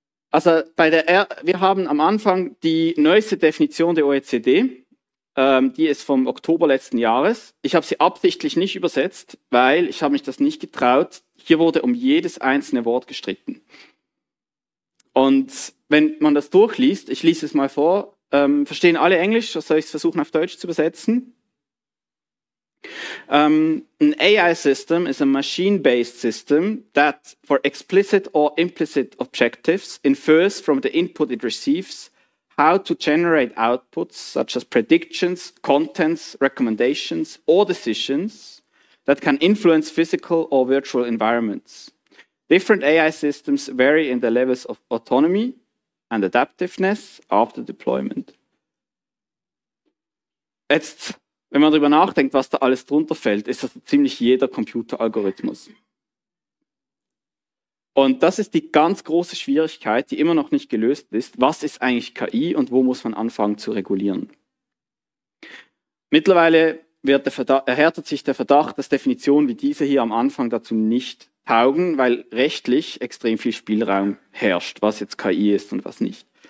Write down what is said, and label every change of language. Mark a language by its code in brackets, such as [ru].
[de] Wir haben am Anfang die neueste Definition der OECD, die ist vom Oktober letzten Jahres. Ich habe sie absichtlich nicht übersetzt, weil ich habe mich das nicht getraut. Hier wurde um jedes einzelne Wort gestritten. Und wenn man das durchliest, ich lese es mal vor, verstehen alle Englisch, oder soll ich es versuchen auf Deutsch zu übersetzen? [en] An AI system is a machine-based system that for explicit or implicit objectives infers from the input it receives how to generate outputs such as predictions, contents, recommendations or decisions that can influence physical or virtual environments. Different AI systems vary in the levels of autonomy and adaptiveness after deployment. [de] Jetzt, wenn man darüber nachdenkt, was da alles drunter fällt, ist das ziemlich jeder Computeralgorithmus. Und das ist die ganz große Schwierigkeit, die immer noch nicht gelöst ist. Was ist eigentlich KI und wo muss man anfangen zu regulieren? Mittlerweile erhärtet sich der Verdacht, dass Definitionen wie diese hier am Anfang dazu nicht taugen, weil rechtlich extrem viel Spielraum herrscht, was jetzt KI ist und was nicht.